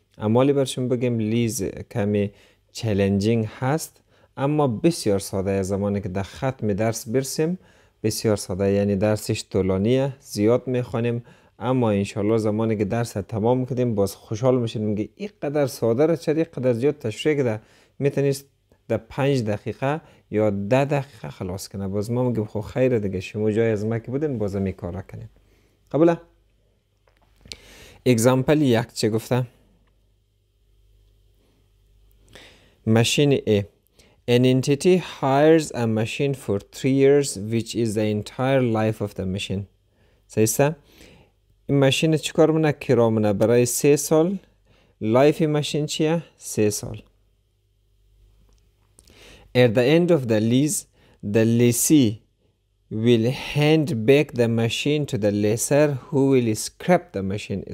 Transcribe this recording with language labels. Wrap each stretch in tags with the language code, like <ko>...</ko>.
<fa>امالی برشون بگیم لیز کمی چلنجینگ هست اما بسیار ساده، زمانی که در ختم درس برسیم بسیار ساده، یعنی درسش طولانیه زیاد میخوانیم، اما انشالله زمانی که درس تمام کردیم باز خوشحال میشیم که این قدر ساده را چرا این قدر زیاد تشریح کرده، میتونیست در 5 دقیقه یا 10 دقیقه خلاص کنه. باز ما میگیم خب خیر دیگه، شما جای از ما که بودین باز می کارا کنین. قبوله؟ اگزامپل یک چه گفته؟ ماشین A.</fa> <en>An entity hires a machine for 3 years which is the entire life of the machine.</en> <fa>صحیحه؟ این ماشین چیکار مونه؟ کرا مونه برای 3 سال. لایف ماشین چیه؟ 3 سال.</fa> <en>At the end of the lease, the lessee will hand back the machine to the lessor who will scrap the machine.</en>